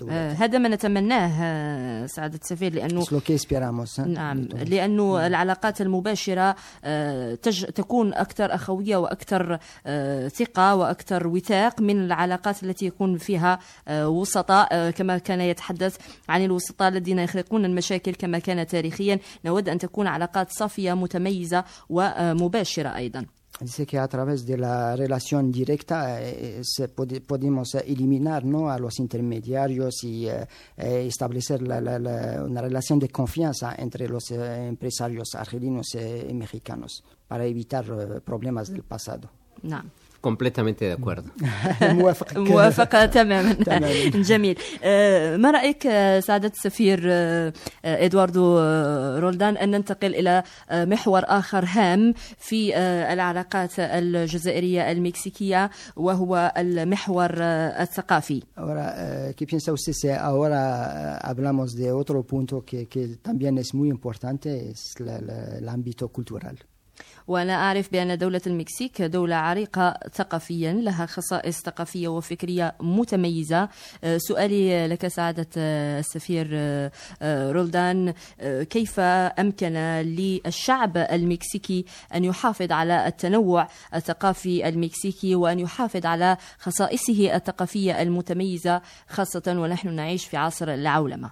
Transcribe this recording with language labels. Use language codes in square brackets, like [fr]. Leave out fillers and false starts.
[ar] هذا ما نتمناه سعادة السفير, لأنه العلاقات المباشرة تكون أكثر أخوية وأكثر ثقة وأكثر وثاق من العلاقات التي يكون فيها وسطاء, كما كان يتحدث عن الوسطاء الذين يخلقون المشاكل كما كان تاريخيا. نود أن تكون علاقات صافية متميزة ومباشرة أيضا. [es] Dice que a través de la relación directa podemos eliminar, ¿no?, a los intermediarios y establecer una relación de confianza entre los empresarios argelinos y mexicanos para evitar problemas del pasado. No. Completamente de acuerdo. [ar] موافقة تماما. جميل. ما رأيك سعادة السفير إدواردو رولدان أن ننتقل إلى محور آخر هام في العلاقات الجزائرية المكسيكية وهو المحور الثقافي؟ [es] Ahora, ¿qué piensa usted si ahora hablamos de otro punto que también es muy importante, es el ámbito cultural? [ar] وأنا أعرف بأن دولة المكسيك دولة عريقة ثقافيا, لها خصائص ثقافية وفكرية متميزة. سؤالي لك سعادة السفير رولدان, كيف أمكن للشعب المكسيكي أن يحافظ على التنوع الثقافي المكسيكي وأن يحافظ على خصائصه الثقافية المتميزة, خاصة ونحن نعيش في عصر العولمة؟